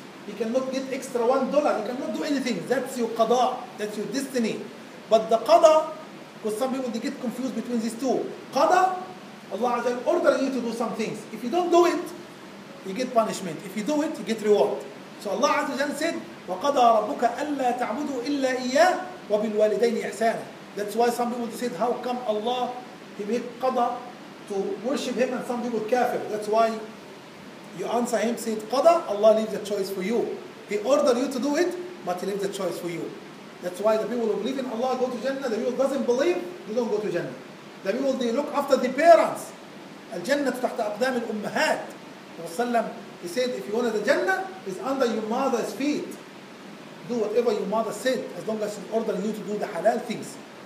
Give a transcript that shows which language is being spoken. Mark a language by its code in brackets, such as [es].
[en] You cannot get extra $1. You cannot do anything. That's your qada. That's your destiny. But the qada, because some people they get confused between these two. Qada, Allah Azza wa Jalla order you to do some things. If you don't do it, you get punishment. If you do it, you get reward. So Allah Azza wa Jalla said, [ar] وَقَضَى رَبُّكَ أَلَّا تَعْبُدُوا إِلَّا إِيَّا وَبِالْوَالِدَيْنِ إِحْسَانًا. [en] That's why some people said, how come Allah, he made qada to worship him and some people kafir. That's why you answer him, said qada, Allah leaves the choice for you. He ordered you to do it, but he leaves the choice for you. That's why the people who believe in Allah go to Jannah. The people who doesn't believe, they don't go to Jannah. The people, they look after the parents. [ar] Al-Jannah تحت أقدام الأمهات. [en] He said, if you want the Jannah, it's under your mother's feet. Do whatever your mother said, as long as he ordered you to do the halal things.